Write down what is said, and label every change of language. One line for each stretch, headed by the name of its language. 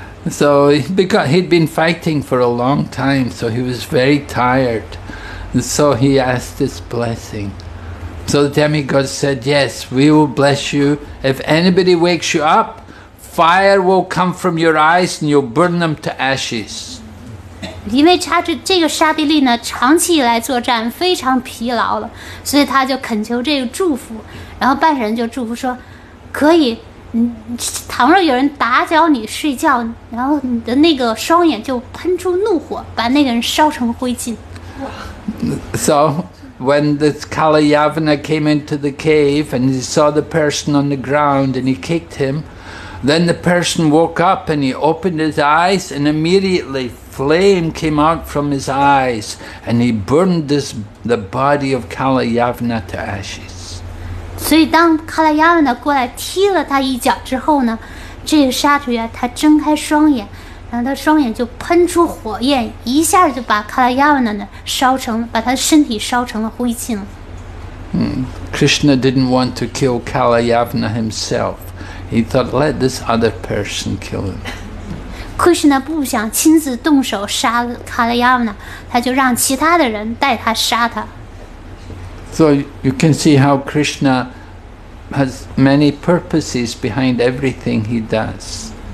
English: So because he'd been fighting for a long time, so he was very tired. So he asked this blessing. So the demigod said, "Yes, we will bless you. If anybody wakes you up, fire will come from your eyes and you'll burn them to ashes."
Chinese: 因为这个沙地利呢，长期以来作战非常疲劳了，所以他就恳求这个祝福。然后半神就祝福说。可以，倘若有人打搅你睡觉，然后你的那个双眼就喷出怒火，把那个人烧成灰烬。
English: So when this Kalayavana came into the cave and he saw the person on the ground and he kicked him, then the person woke up and he opened his eyes and immediately flame came out from his eyes and he burned the body of Kalayavana to ashes.
Chinese: 所以当卡拉亚文过来踢了他一脚之后呢，这个沙土呀，他睁开双眼，然后他双眼就喷出火焰，一下就把卡拉亚文呢烧成，把他身体烧成了灰烬了。
English: Krishna didn't want to kill Kalayavana himself. He thought, let this other person kill him.
Chinese: Krishna 不想亲自动手杀 Kalayavana, 他就让其他的人带他杀他。
English: So you can see how Krishna has many purposes behind everything he does.